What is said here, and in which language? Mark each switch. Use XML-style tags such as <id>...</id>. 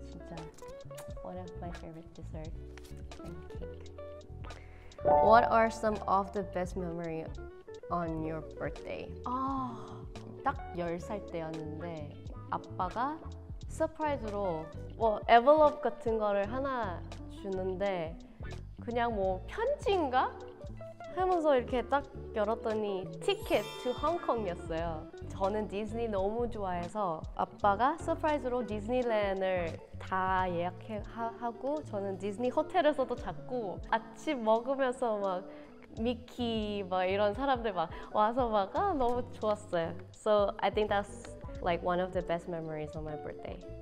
<en>진짜 one of my favorite dessert and cake. What are some of the best memory on your birthday?</en> <ko>아, 딱 10살 때였는데 아빠가 서프라이즈로 뭐 envelope 같은 거를 하나 주는데 그냥 뭐 편지인가? 하면서 이렇게 딱 열었더니 티켓 to 홍콩이었어요. 저는 디즈니 너무 좋아해서 아빠가 서프라이즈로 디즈니랜드를 다 예약하고 저는 디즈니 호텔에서도 자꾸 아침 먹으면서 막 미키 막 이런 사람들 막 와서 막 아, 너무 좋았어요.</ko> <en>So I think that's like one of the best memories on my birthday.</en>